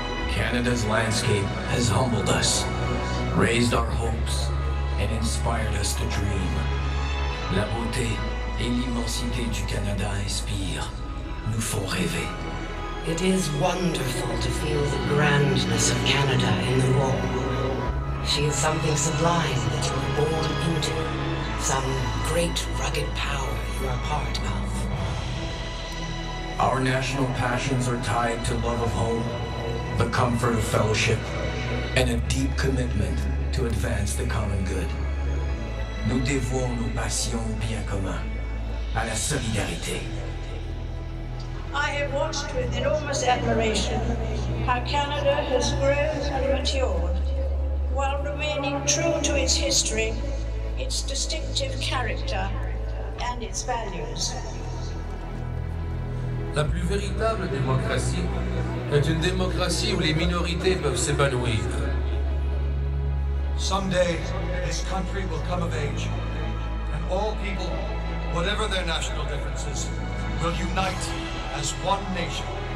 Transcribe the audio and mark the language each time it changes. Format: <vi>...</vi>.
<en>Canada's landscape has humbled us, raised our hopes, and inspired us to dream.</en> <fr>La beauté et l'immensité du Canada inspire nous font rêver.</fr> <en>It is wonderful to feel the grandness of Canada in the raw world. She is something sublime that you are born into, some great rugged power you are part of. Our national passions are tied to love of home, the comfort of fellowship, and a deep commitment to advance the common good.</en> <fr>Nous dévouons nos passions au bien commun, à la solidarité.</fr> <en>I have watched with enormous admiration how Canada has grown and matured while remaining true to its history, its distinctive character, and its values.</en> <fr>La plus véritable démocratie est une démocratie où les minorités peuvent s'épanouir.</fr> <en>Someday, this country will come of age, and all people, whatever their national differences, will unite as one nation.</en>